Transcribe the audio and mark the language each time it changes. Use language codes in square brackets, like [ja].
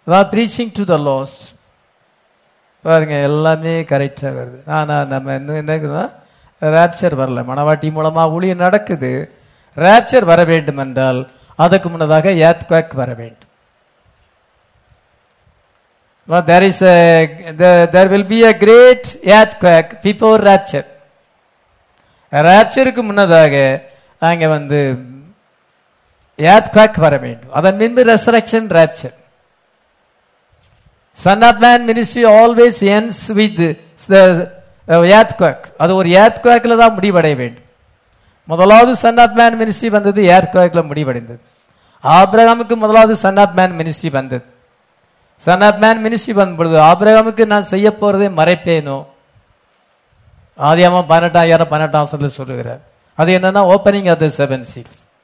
[en] Preaching to the lost. [ta] பாருங்க, எல்லாமே கரெக்டாக வருது. ஆனால் நம்ம இன்னும் என்னங்கன்னா ராப்சர் வரல. மனவாட்டி மூலமாக ஊழியர் நடக்குது. ராப்சர் வர வேண்டும் என்றால் அதுக்கு முன்னதாக earthquake வர வேண்டும். [en] There will be a great earthquake before rapture. [ta] ராப்சருக்கு முன்னதாக அங்க வந்து earthquake வர வேண்டும். அதன் பின்பு resurrection rapture. [en] Son of Man ministry always ends with the earthquake. [ta] அது ஒரு earthquakeல தான் முடிவடைய வேண்டும். முதலாவது Son of Man ministry வந்தது earthquakeல முடிவடைந்தது. ஆபிரகாமுக்கு முதலாவது Son of Man ministry வந்தது. Son of Man ministry வந்தபொழுது ஆபிரகாமுக்கு நான் செய்ய போறதை மறைப்பேனோ. ஆதியாகமம் 18:18 சொல்லுகிறார். அது என்னன்னா [en] opening of the seven seals.